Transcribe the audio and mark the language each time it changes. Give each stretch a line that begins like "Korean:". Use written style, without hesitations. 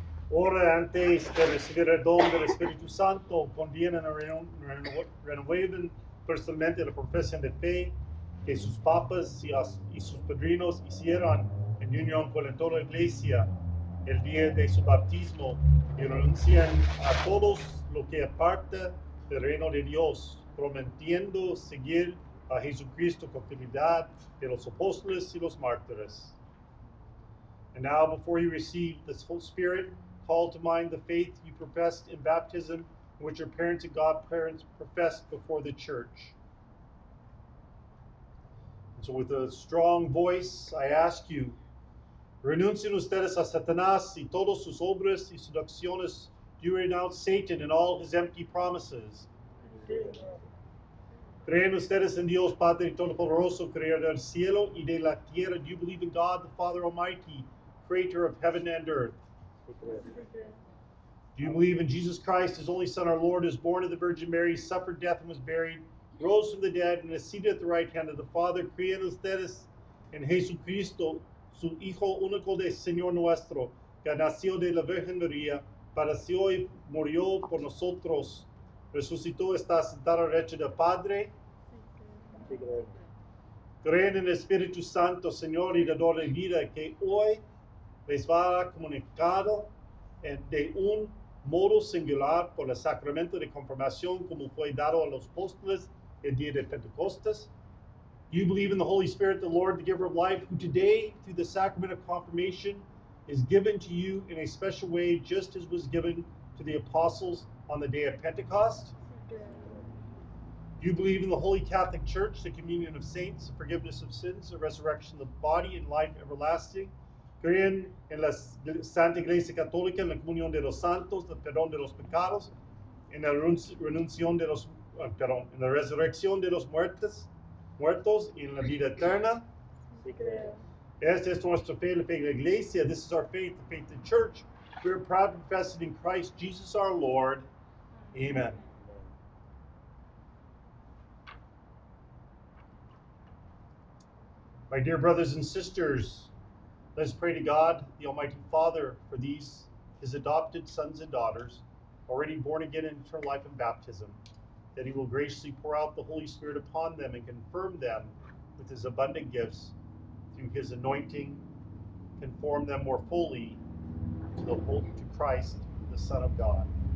Spanish: Ora antes de recibir el don del Espíritu Santo, conviene renueven personalmente la profesión de fe que sus papas y sus padrinos hicieron en unión con toda la iglesia el día de su bautismo y renuncian a todos lo que aparta del reino de Dios, prometiendo seguir a Jesucristo con fidelidad de los apóstoles y los mártires.
English: And now, before you receive this Holy Spirit, call to mind the faith you professed in baptism, which your parents and godparents professed before the church. And so with a strong voice, I ask you,
Spanish: renuncien ustedes a Satanás y todos sus obras y seducciones.
English: Do you renounce Satan and all his empty promises?
Spanish: Creen ustedes en Dios Padre Todopoderoso, creador del cielo y de la tierra.
English: Do you believe in God, the Father Almighty, creator of heaven and earth? Do you believe in Jesus Christ, his only Son, our Lord, who was born of the Virgin Mary, suffered death and was buried, rose from the dead, and is seated at the right hand of the Father?
Spanish: Creen ustedes en Jesucristo, su Hijo único de Señor nuestro, que nació de la Virgen María, padeció y murió por nosotros. Resucitó, está sentado a la derecha del Padre. Creen en el Espíritu Santo, Señor y dador de vida, que hoy les va a comunicar de un modo singular por el sacramento de confirmación como fue dado a los apóstoles el día de Pentecostés.
English: Do you believe in the Holy Spirit, the Lord, the giver of life, who today, through the sacrament of confirmation, is given to you in a special way, just as was given to the apostles on the day of Pentecost? Do you believe in the Holy Catholic Church, the communion of saints, the forgiveness of sins, the resurrection of the body, and life everlasting?
Spanish: Creen en la Santa Iglesia Católica, en la comunión de los santos, el perdón de los pecados, en la renunción de los, perdón, en la resurrección de los muertos y en la vida eterna? Esta es nuestra fe, la fe de la Iglesia.
English: This is our faith, the faith of the Church. We are proud to profess it in Christ Jesus our Lord. Amen. My dear brothers and sisters, let us pray to God, the Almighty Father, for these, his adopted sons and daughters, already born again in eternal life and baptism, that he will graciously pour out the Holy Spirit upon them and confirm them with his abundant gifts through his anointing, conform them more fully to the hope to Christ, the Son of God.